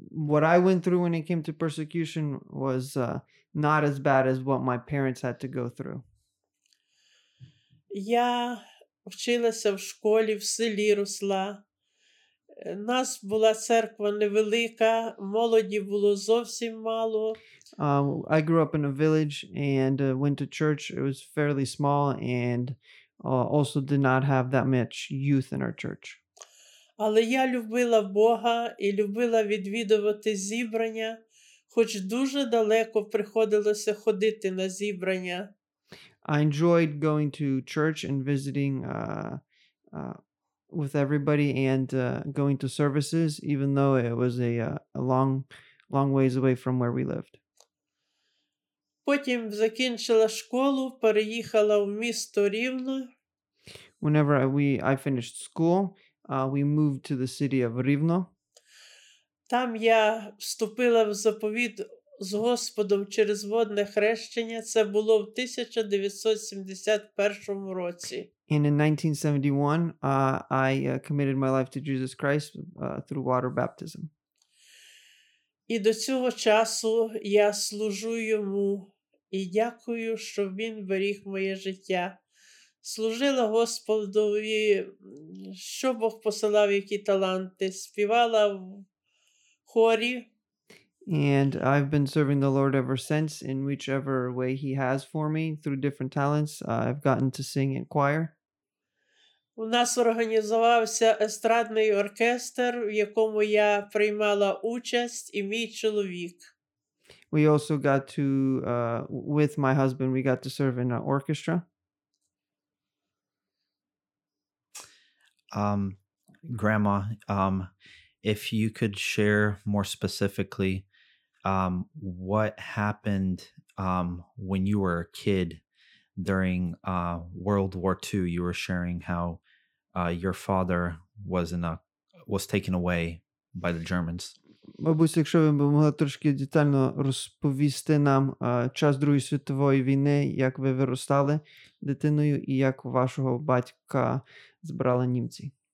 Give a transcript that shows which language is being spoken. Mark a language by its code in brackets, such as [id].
[en] What I went through when it came to persecution was not as bad as what my parents had to go through. [uk] Я вчилася в школі, в селі росла. У нас була церква невелика, молоді було зовсім мало. [en] I grew up in a village and went to church. It was fairly small and also did not have that much youth in our church. [uk] Але я любила Бога і любила відвідувати зібрання, хоч дуже далеко приходилося ходити на зібрання. [en] I enjoyed going to church and visiting with everybody and going to services, even though it was a long ways away from where we lived. [uk] Потім закінчила школу, переїхала в місто Рівне. [en] Whenever I finished school, we moved to the city of Rivno. [uk] Там я вступила в заповіт з Господом через водне хрещення. Це було в 1971 році. [en] And in 1971, I committed my life to Jesus Christ through water baptism. [uk] І до цього часу я служу йому і дякую, що він беріг моє життя. Служила Господові, що Бог посилав, які таланти, співала в хорі. [en] And I've been serving the Lord ever since in whichever way he has for me through different talents. I've gotten to sing in choir. [uk] У нас організувався естрадний оркестр, в якому я приймала участь, і мій чоловік. [en] We also got to, with my husband, we got to serve in an orchestra. Grandma, if you could share more specifically, what happened when you were a kid during World War II, you were sharing how your father was taken away by the Germans. [uk] Мабуть, якщо ви б могли трошки детально розповісти нам час Другої світової війни, як ви виростали дитиною і як вашого батька збрали німці.